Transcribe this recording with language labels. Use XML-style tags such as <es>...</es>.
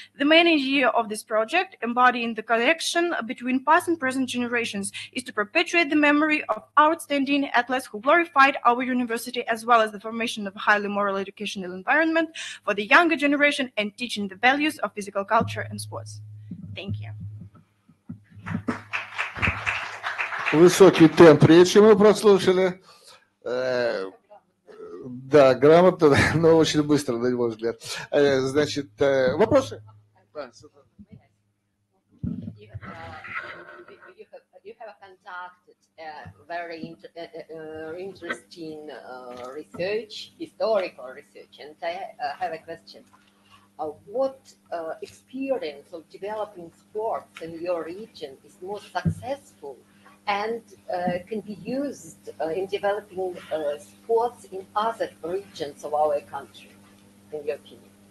<en>The main idea of this project, embodying the connection between past and present generations, is to perpetuate the memory of outstanding athletes who glorified our university, as well as the formation of a highly moral educational environment for the younger generation and teaching the values of physical culture and sports. Thank you.</en> <ru>Высокий темп речи мы прослушали. Да, грамотно, но очень быстро, на мой взгляд. Значит, вопросы?</ru> <en>You have conducted very interesting research, historical research, and I have a question. What experience of developing sports in your region is most successful and can be used in developing sports in other regions of our country, in your opinion?</en>